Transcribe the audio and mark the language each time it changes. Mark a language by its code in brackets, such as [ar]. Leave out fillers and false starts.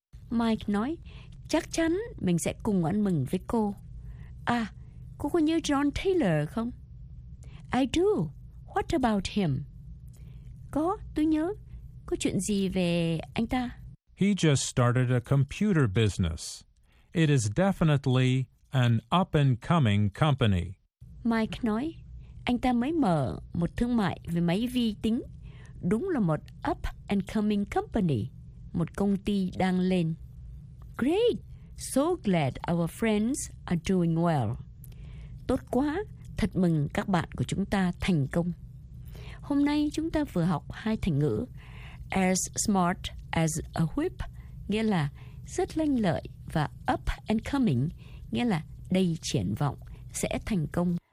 [vi] Mike nói, chắc chắn mình sẽ cùng ăn mừng với cô. À, cô có nhớ John Taylor không? [en] I do. What about him? [vi] Có, tôi nhớ. Có chuyện gì về anh ta? [en] He just started a computer business. It is definitely an up-and-coming company. [vi] Mike nói, anh ta mới mở một thương mại về máy vi tính. Đúng là một [en] up-and-coming company, [vi] một công ty đang lên. [en] Great! So glad our friends are doing well. [vi] Tốt quá! Thật mừng các bạn của chúng ta thành công. Hôm nay chúng ta vừa học hai thành ngữ. [en] As smart as a whip, [vi] nghĩa là rất lanh lợi. Và up and coming, nghĩa là đầy triển vọng, sẽ thành công.